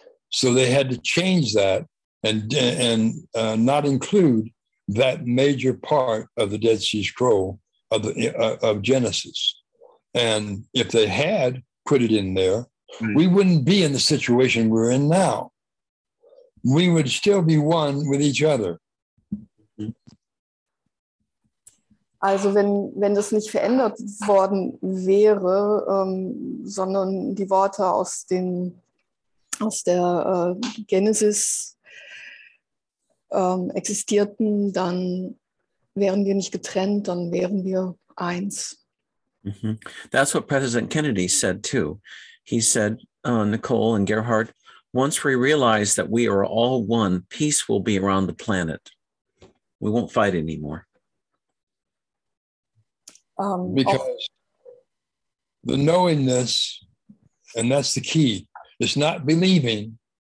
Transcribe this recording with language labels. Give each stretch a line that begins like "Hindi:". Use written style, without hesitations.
English: So they had to change that and not include that major part of the Dead Sea Scroll of Genesis. And if they had put it in there, we wouldn't be in the situation we're in now. We would still be one with each other.
German: Also wenn das nicht verändert worden wäre, sondern die Worte aus der Genesis existierten, dann wären wir nicht getrennt, dann wären wir eins.
English: Mm-hmm. That's what President Kennedy said too. He said, Nicole and Gerhard, once we realize that we are all one, peace will be around the planet. We won't fight anymore. Because the knowingness, and that's the key, it's not believing.